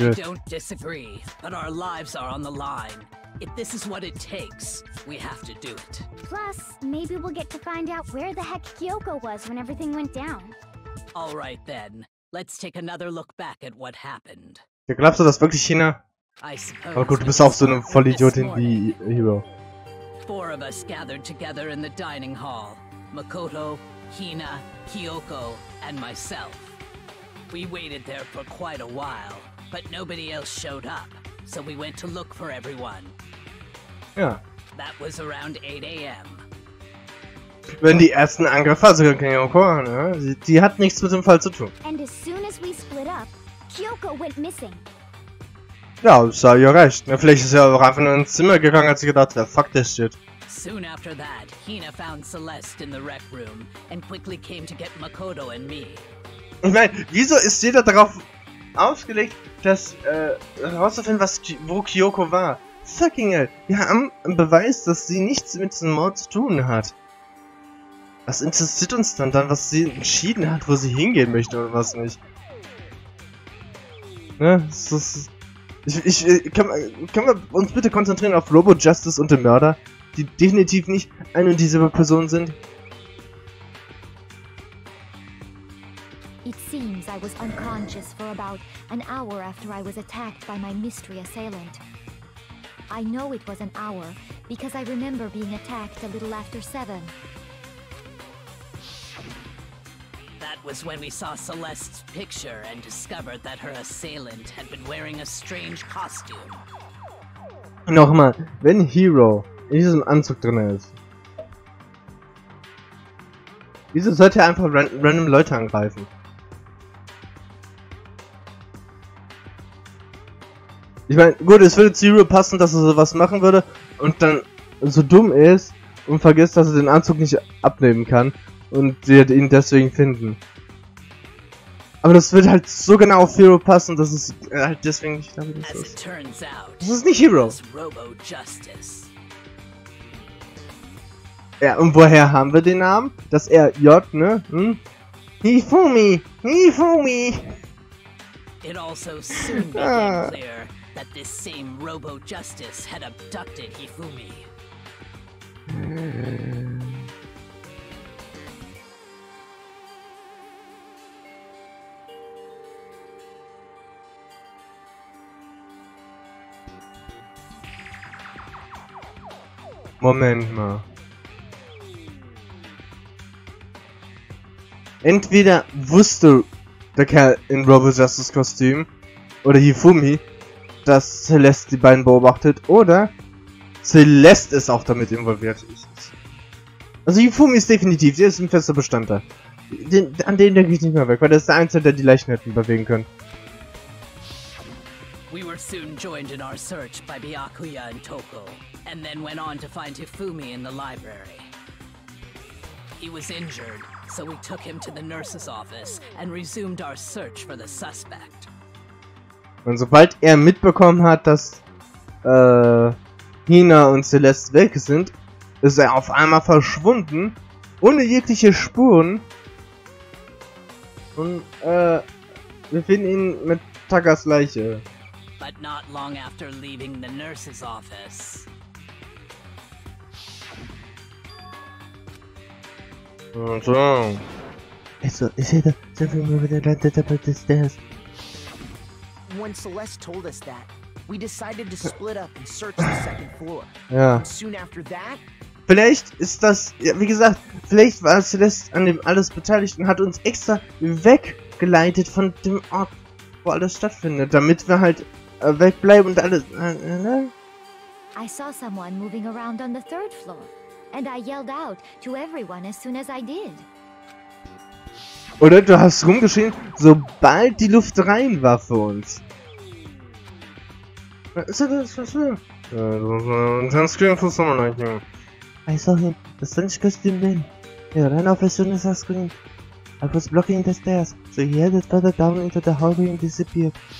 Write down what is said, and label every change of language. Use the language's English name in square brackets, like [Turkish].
[English] I don't disagree, but our lives are on the line. If this is what it takes, we have to do it. Plus, maybe we'll get to find out where the heck Kyoko was when everything went down. All right then, let's take another look back at what happened. [German] Ja, glaubst du das wirklich, China? Aber gut, du bist auch so eine Vollidiotin wie Hiro. [English] Four of us gathered together in the dining hall. Makoto, Hina, Kyoko, and myself. We waited there for quite a while, but nobody else showed up, so we went to look for everyone. Yeah. That was around 8 a.m. [German] Wenn die ersten Angriffe, also Kyoko, ne? Die hat nichts mit dem Fall zu tun. [English] And as soon as we split up, Kyoko went missing. [German] Ja, ist ja recht. Vielleicht ist er auch einfach nur ins Zimmer gegangen, hat sie gedacht, wer fuck das shit. [English] Soon after that, Hina found Celeste in the rec room and quickly came to get Makoto and me. [German] Ich meine, wieso ist jeder darauf ausgelegt, dass herauszufinden, wo Kyoko war? Fucking hell, wir haben einen Beweis, dass sie nichts mit diesem Mord zu tun hat. Was interessiert uns dann, was sie entschieden hat, wo sie hingehen möchte oder was nicht? Ne, das ist. Können wir uns bitte konzentrieren auf Robo Justice und den Mörder, die definitiv nicht eine und dieselbe Person sind? [English] It seems I was unconscious for about an hour after I was attacked by my mystery assailant. I know it was an hour because I remember being attacked a little after 7. Was when we saw Celeste's picture and discovered that her assailant had been wearing a strange costume. [German] Nochmal, wenn Hiro in diesem Anzug drin ist, wieso sollte er einfach random Leute angreifen? Ich meine, gut, es würde zu Hiro passen, dass er sowas machen würde und dann so dumm ist und vergisst, dass er den Anzug nicht abnehmen kann und wird ihn deswegen finden. Aber das wird halt so genau auf Hiro passen, dass es halt deswegen nicht damit ist. [English] As it turns out, [German] das ist nicht Hiro. Robo-Justice. Ja, und woher haben wir den Namen? Dass er J, ne? Hm? [English] He fooled me! He fooled me! It also soon became clear that this same Robo Justice had abducted Hifumi. [German] Moment mal. Entweder wusste der Kerl in Robo-Justice-Kostüm oder Hifumi, dass Celeste die beiden beobachtet, oder Celeste ist auch damit involviert. Also Hifumi ist definitiv, sie ist ein fester Bestandteil. An den denke ich nicht mehr weg, weil das ist der Einzige, der die Leichen hätte bewegen können. [English] We were soon joined in our search by Byakuya and Toko, and then went on to find Hifumi in the library. He was injured, so we took him to the nurse's office and resumed our search for the suspect. [German] Und sobald er mitbekommen hat, dass Hina und Celeste weg sind, ist er auf einmal verschwunden, ohne jegliche Spuren. Und wir finden ihn mit Takas Leiche. [English] But not long after leaving the nurse's office. What's wrong? Is it something over there at the top of the stairs? When Celeste told us that, we decided to split up and search the second floor. Yeah. And soon after that? [German] Vielleicht ist das, ja, wie gesagt, vielleicht war Celeste an dem alles beteiligt und hat uns extra weggeleitet von dem Ort, wo alles stattfindet, damit wir halt wegbleiben und alles. [English] I saw someone moving around on the third floor. And I yelled out to everyone as soon as I did. [German] Oder du hast rumgeschrien, sobald die Luft rein war für uns. Ist das was für? [English] Sunscreen for someone like you. I saw him, the sunscreen man. He ran off as soon as I screamed. I was blocking the stairs, so he headed further down into the hallway and disappeared.